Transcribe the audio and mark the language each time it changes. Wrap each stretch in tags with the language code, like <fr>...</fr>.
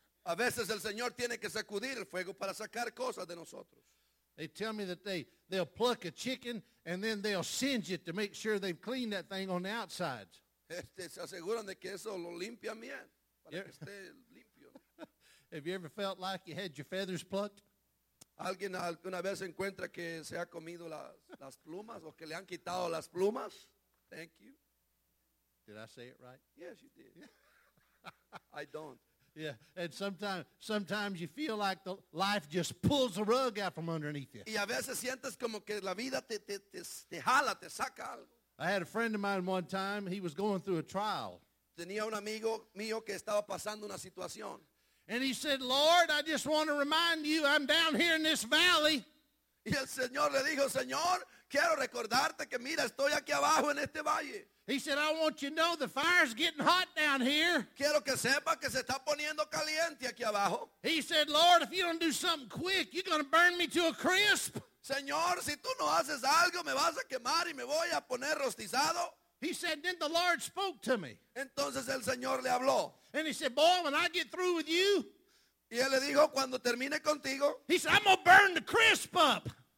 <es>A veces el Señor tiene que sacudir el fuego para sacar cosas de nosotros.</es> <en>They tell me that they'll pluck a chicken and then they'll singe it to make sure they've cleaned that thing on the outside.</en> <es>Se aseguran de que eso lo limpian bien, para que esté limpio.</es> <en>Have you ever felt like you had your feathers plucked?</en> <es>¿Alguien alguna vez encuentra que se ha comido las plumas o que le han quitado las plumas?</es> <en>Thank you. Did I say it right? Yes, you did. I don't. Yeah, and sometimes you feel like the life just pulls the rug out from underneath you.</en> <es>Y a veces sientes como que la vida te jala, te saca algo.</es> <en>I had a friend of mine one time, he was going through a trial.</en> <es>Tenía un amigo mío que estaba pasando una situación.</es> <en>And he said, Lord, I just want to remind you, I'm down here in this valley.</en> <es>Y el Señor le dijo, Señor, quiero recordarte que mira, estoy aquí abajo en este valle.</es> <en>He said, I want you to know the fire's getting hot down here.</en> <es>Quiero que sepa que se está poniendo caliente aquí abajo.</es> <en>He said, Lord, if you don't do something quick, you're going to burn me to a crisp.</en> <es>Señor, si tú no haces algo, me vas a quemar y me voy a poner rostizado.</es> <en>He said, then the Lord spoke to me.</en> <es>Entonces el Señor le habló.</es> <en>And he said, boy, when I get through with you,</en> <es>y él le dijo, cuando termine contigo,</es> <en>he said, I'm going to burn the crisp up.</en>